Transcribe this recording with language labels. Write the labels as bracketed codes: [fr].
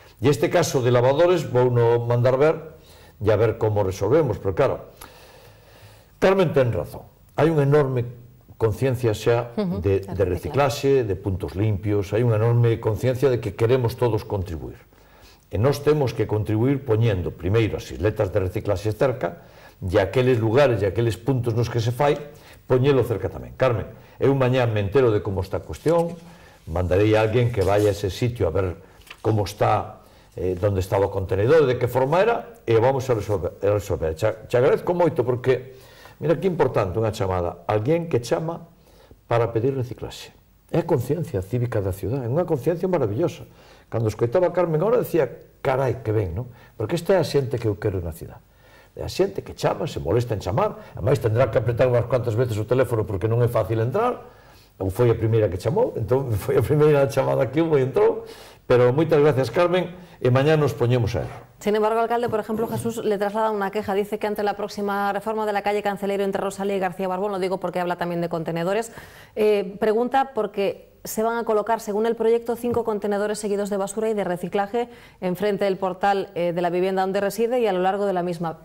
[gl] E este caso de Lavadores, vou no mandar ver, e a ver como resolvemos, pero claro, Carmen ten razón, hai unha enorme conciencia xa de reciclaxe, de puntos limpios, hai unha enorme conciencia de que queremos todos contribuir. E nos temos que contribuir poñendo primeiro as isletas de reciclaxe cerca e aqueles lugares e aqueles puntos nos que se fai, poñelo cerca tamén. Carmen, eu mañá me entero de como está a cuestión, mandarei a alguén que vaya a ese sitio a ver como está, donde estaba o contenedor, de que forma era, e vamos a resolver. Te agradezco moito porque... Mira que importante unha chamada, alguén que chama para pedir reciclase. É a conciencia cívica da ciudad, é unha conciencia maravillosa. Cando escoitaba a Carmen ahora, decía, carai, que ben, non? Porque esta é a xente que eu quero na ciudad. É a xente que chama, se molesta en chamar, además tendrá que apretar unhas cuantas veces o teléfono porque non é fácil entrar, ou foi a primeira que chamou, entón foi a primeira chamada que hubo e entrou, pero moitas gracias, Carmen, e mañá nos poñemos a erro. [es] Sin embargo, alcalde, por ejemplo, Jesús le traslada una queja. Dice que ante la próxima reforma de la calle Cancelero entre Rosalía y García Barbón, lo digo porque habla también de contenedores, pregunta porque se van a colocar, según el proyecto, 5 contenedores seguidos de basura y de reciclaje enfrente del portal de la vivienda donde reside y a lo largo de la misma.